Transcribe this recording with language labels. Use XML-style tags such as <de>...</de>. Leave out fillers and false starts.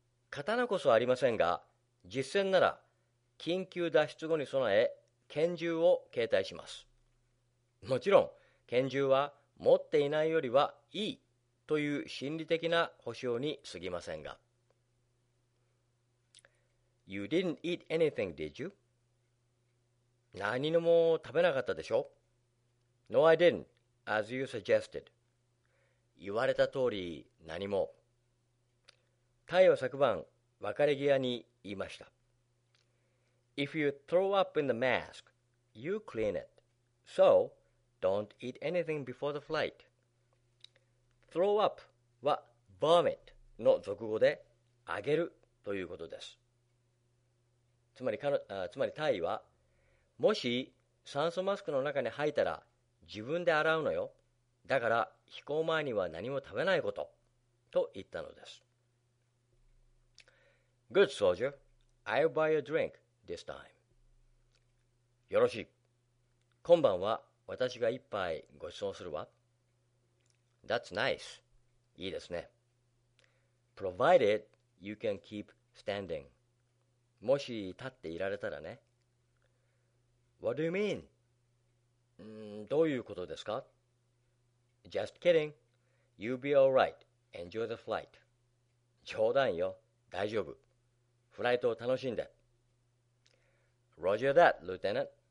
<ja>刀こそありませんが、実戦なら緊急脱出後に備え拳銃を携帯します。もちろん拳銃は持っていないよりはいいという心理的な保証に過ぎませんが。</ja> <en>You didn't eat anything, did you?</en> <ja>何のも食べなかったでしょ。</ja> <en>No, I didn't, as you suggested.</en> <ja>言われた通り何も。タイは昨晩、別れ際に言いました。</ja> <en>If you throw up in the mask, you clean it. So, don't eat anything before the flight.</en> <ja>Throw up は vomit の俗語で、あげるということです。つまりタイは、もし酸素マスクの中に入ったら自分で洗うのよ。だから飛行前には何も食べないこと、と言ったのです。</ja> <en>Good soldier, I'll buy a drink this time.</en> <ja>よろしい。今晩は私が一杯ごちそうするわ。</ja> <en>That's nice.</en> <ja>いいですね。</ja> <en>Provided you can keep standing.</en> <ja>もし立っていられたらね。</ja> <en>What do you mean?</en> <ja>どういうことですか?</ja> <en>Just kidding. You'll be all right. Enjoy the flight.</en> <ja>冗談よ。大丈夫。フライトを楽しんで。</ja> <en>Roger that, Lieutenant.</en>